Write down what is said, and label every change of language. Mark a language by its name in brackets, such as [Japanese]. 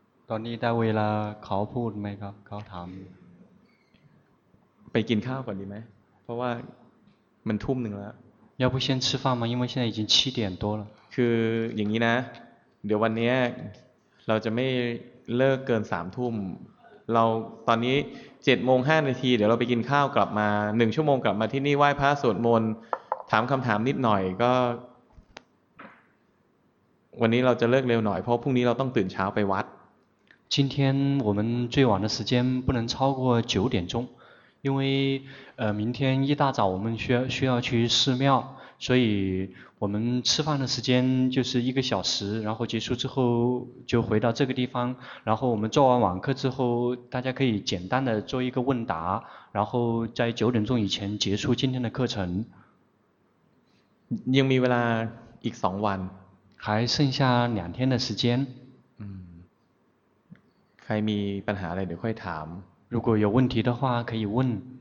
[Thai] ตอนนี้ได้เวลาเขาพูดไหมครับเขาถาม ไปกินข้าวก่อนดีไหมเพราะว่ามันทุ่มหนึ่งแล้ว [Chinese] 要不先吃饭吗因为现在已经七点多了 [Thai] คืออย่างนี้นะเดี๋ยววันนี้เราจะไม่เลิกเกินสามทุ่มเราตอนนี้เจ็ดโมงห้านาทีเดี๋ยวเราไปกินข้าวกลับมาหนึ่งชั่วโมงกลับมาที่นี่ไหว้พระสวดมนต์ถามคำถามนิดหน่อยก็วันนี้เราจะเลิกเร็วหน่อยเพราะพรุ่งนี้เราต้องตื่นเช้าไปวัด [Chinese] 今天我们最晚的时间不能超过九点钟因为明天一大早我们需要去寺庙所以我们吃饭的时间就是一个小时然后结束之后就回到这个地方然后我们做完网课之后大家可以简单的做一个问答然后在九点钟以前结束今天的课程 [Thai] ยังมีเวลาอีก2วัน [Chinese] 还剩下两天的时间 [Thai] ใครมีปัญหาอะไรเดี๋ยวค่อยถาม [Chinese] 如果有问题的话可以问